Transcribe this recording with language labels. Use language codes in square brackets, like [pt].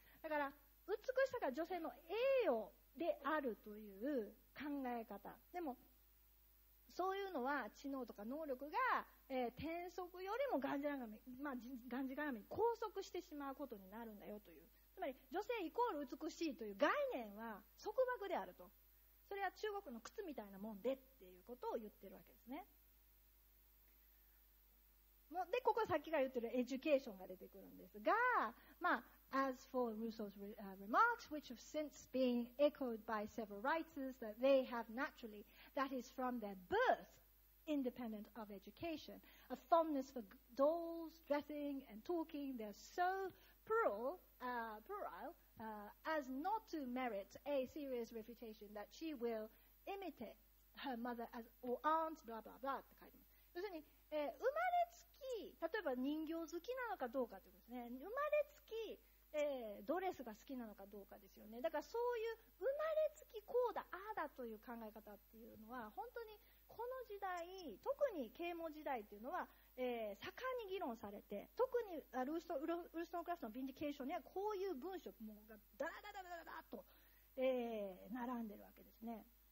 [ja] だから美しさが女性の栄誉であるという考え方でも、そういうのは知能とか能力が、転速よりもがんじがらめに拘束してしまうことになるんだよという、つまり女性イコール美しいという概念は束縛であると、それは中国の靴みたいなもんでっていうことを言ってるわけですね。でここさっきから言ってるエデュケーションが出てくるんですが、まあ [en] As for Rousseau's remarks, which have since been echoed by several writers, that they have naturally, that is from their birth, independent of education, a fondness for dolls, dressing and talking, they're so puerile, as not to merit a serious refutation that she will imitate her mother as, or aunt, blah blah blah [ja] って書いてます。要するに、生まれつき、例えば人形好きなのかどうかということですね。生まれつき、ドレスが好きなのかどうかですよね。だからそういう生まれつきこうだああだという考え方っていうのは本当にこの時代、特に啓蒙時代っていうのは、盛んに議論されて、特にウルストンクラフトのヴィンディケーションにはこういう文章もがダラダラダラダラと、並んでるわけですね。